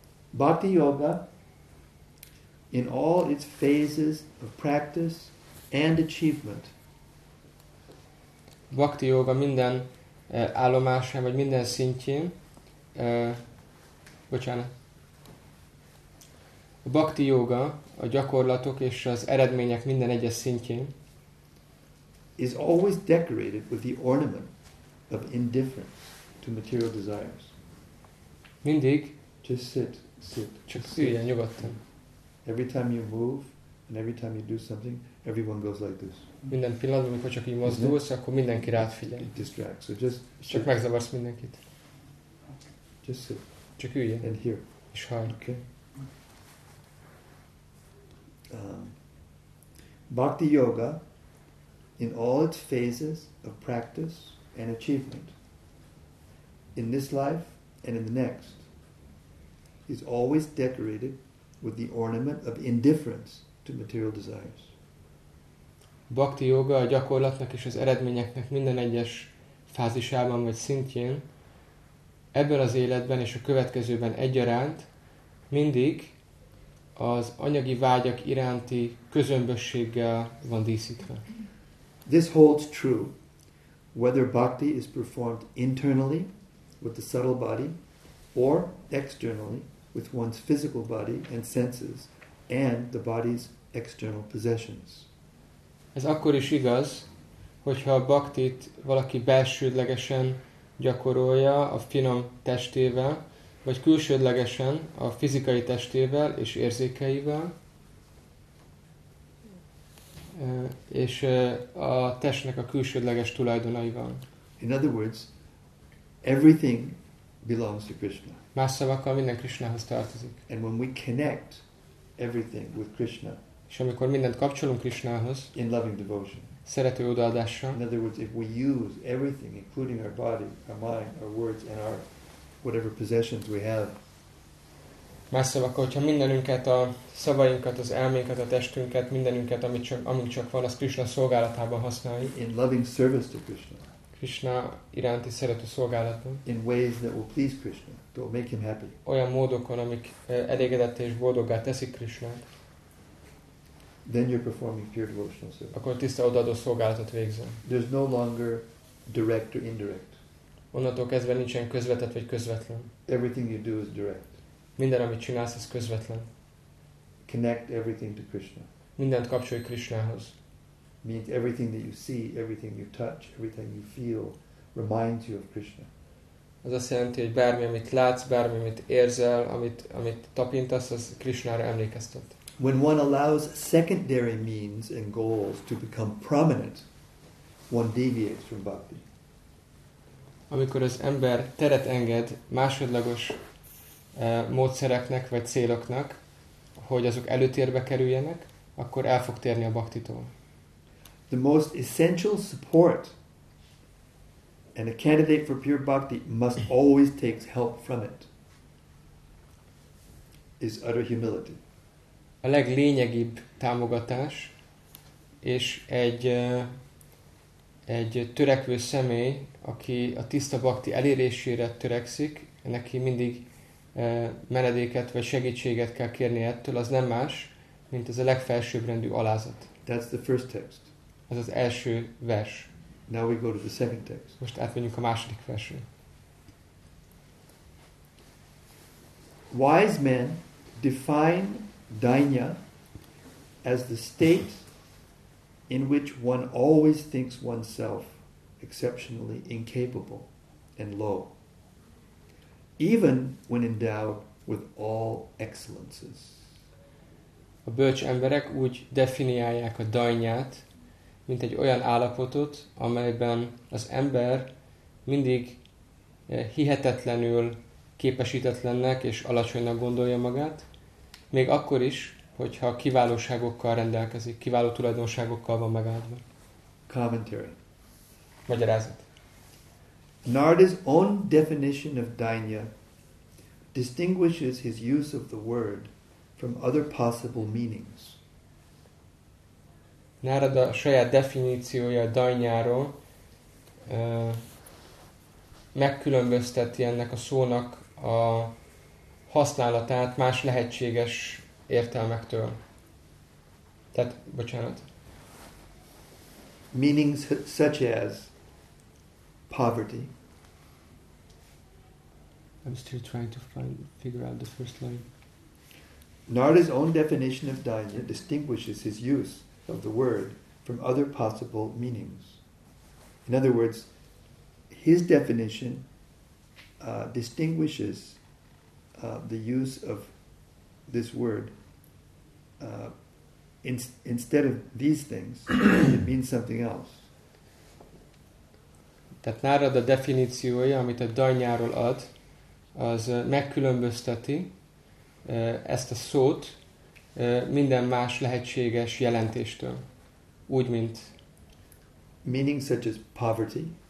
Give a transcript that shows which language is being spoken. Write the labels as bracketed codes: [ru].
[en] Bhakti yoga in all its phases of practice and achievement. [hu] Bhakti yoga minden állomásán vagy minden szintjén, bocsánat. A bhakti yoga a gyakorlatok és az eredmények minden egyes szintjén [en] is always decorated with the ornament of indifference to material desires. [hu] Mindig [en] just sit. [hu] Csak üljen nyugodtan. [en] Every time you move and every time you do something, everyone goes like this. [hu] Minden pillanatban, amikor csak így mozdulsz, akkor mindenki rád figyel. [en] It distracts. So just sit. [hu] Csak megzavarsz mindenkit. [en] Just sit. [hu] Csak üljen. [en] And hear. [hu] És hallj. [en] Okay. Bhakti yoga in all its phases of practice and achievement in this life and in the next is always decorated with the ornament of indifference to material desires. [hu] Bhakti yoga a gyakorlatnak és az eredményeknek minden egyes fázisában vagy szintjén ebben az életben és a következőben egyaránt mindig az anyagi vágyak iránti közömbösséggel van díszítve. [en] This holds true whether bhakti is performed internally with the subtle body or externally with one's physical body and senses and the body's external possessions. [hu] Ez akkor is igaz, hogyha a bhaktit valaki belsődlegesen gyakorolja a finom testével, vagy külsődlegesen a fizikai testével és érzékeivel, és a testnek a külsődleges tulajdonaival. [en] In other words, everything belongs to Krishna. [hu] Más szavakkal, minden Krishnahoz tartozik. [en] And when we connect everything with Krishna, [hu] és amikor mindent kapcsolunk Krishnahoz, [en] in loving devotion, [hu] szerető odaadással. [en] In other words, if we use everything, including our body, our mind, our words, and our whatever possessions we have. [hu] Más szavakkal, hogyha mindenünket, a szavainkat, az elménket, a testünket, mindenünket, amink csak van, az Krishna szolgálatában használjuk. [en] In loving service to Krishna. [hu] Krishna iránti szerető szolgálatban. [en] In ways that will please Krishna, that will make him happy. [hu] Olyan módokon, amik elégedetté és boldoggá teszik Krishnát. [en] Then you're performing pure devotional service. [hu] Akkor tiszta odaadó szolgálatot végzel. [en] There's no longer direct or indirect. [hu] Onnantól kezdve nincsen közvetett vagy közvetlen. [en] Everything you do is direct. [hu] Minden, amit csinálsz, az közvetlen. [en] Connect everything to Krishna. [hu] Mindent kapcsolj Krishnához. [en] Means everything that you see, everything you touch, everything you feel reminds you of Krishna. [hu] Az azt jelenti, hogy bármi, amit látsz, bármi, amit érzel, amit tapintasz, az Krishnára emlékeztet. [en] When one allows secondary means and goals to become prominent, one deviates from bhakti. [hu] Amikor az ember teret enged másodlagos módszereknek vagy céloknak, hogy azok előtérbe kerüljenek, akkor el fog térni a bhaktitól. [en] The most essential support and a candidate for pure bhakti must always take help from it is utter humility. [hu] A leglényegibb támogatás és egy törekvő személy, aki a tiszta bhakti elérésére törekszik, neki mindig menedéket vagy segítséget kell kérnie ettől, az nem más, mint ez a legfelsőbbrendű alázat. [en] That's the first text. [hu] Ez az első vers. [en] Now we go to the second text. [hu] Most átmegyünk a második versre. [en] Wise men define dānya as the state in which one always thinks oneself exceptionally incapable and low, even when endowed with all excellences. [hu] A bölcs emberek úgy definiálják a dānyát, mint egy olyan állapotot, amelyben az ember mindig hihetetlenül képesítetlennek és alacsonynak gondolja magát, még akkor is, hogyha kiválóságokkal rendelkezik, kiváló tulajdonságokkal van megáldva. [en] Commentary. [hu] Magyarázat. [en] Narda's own definition of dānya distinguishes his use of the word from other possible meanings. [hu] Narada saját definíciója dānyáról megkülönbözteti ennek a szónak a használatát más lehetséges értelmektől. Tehát, bocsánat. [en] Meanings such as poverty. I'm still trying to figure out the first line. Narada's own definition of dānya distinguishes his use of the word from other possible meanings. In other words, his definition distinguishes the use of this word instead of these things, it means something else. [hu] Tehát Narada definíciója, amit a dānyáról ad, az megkülönbözteti ezt a szót minden más lehetséges jelentéstől. Úgy, mint [en] meaning such as poverty.